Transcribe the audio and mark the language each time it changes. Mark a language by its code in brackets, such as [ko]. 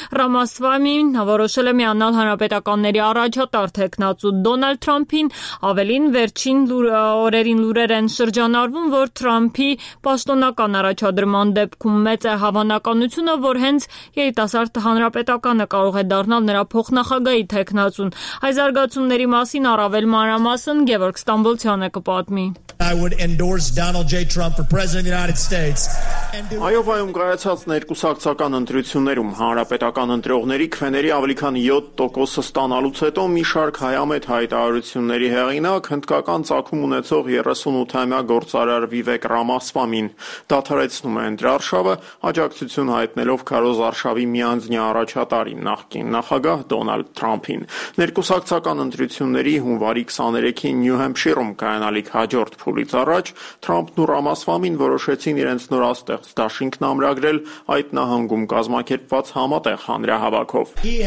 [hy] Ռամասվամին նորոշել է միանալ հանրապետականների առաջատար թեկնածու Դոնալդ Թրամփին, ավելին վերջին օրերին լուրեր են շրջանառվում, որ Թրամփի պաշտոնական առաջադրման դեպքում մեծ է հավանականությունը, որ հենց երիտասարդ հանրապետականը կարող է դառնալ նրա փոխնախագահի թեկնածուն։ Այս զարգացումների մասին առավել մանրամասն Գևորգ Ստամբոլցյանը կպատմի։ [en] I would endorse Donald J. Trump for President of the United States. [hy] Այովայում կայացած ներկուսակցական ընտրություններում հանրապետական ընտրողների քվեների ավելի քան 7%-ը ստանալուց հետո մի շարք հայամետ հայտարարությունների հեղինակ հնդկական ծագում ունեցող 38-ամյա գործարար Վիվեկ Ռամասվամին դադարեցնում է ընտրարշավը, աջակցություն հայտնելով Քարոզ արշավի միանձնյա առաջատարին, նախկին նախագահ Դոնալդ Թրամփին։ Ներկուսակցական ընտրությունների հունվարի 23-ին Նյու Հեմփշիրում կայանալիք հաջորդ փուլից առաջ Թրամփն ու Ռամասվամին որոշեցին իրենց նորաստեղ դաշինքն ամրագրել այդ նահանգում կազմակերպված համատեղ հանրահավաքով։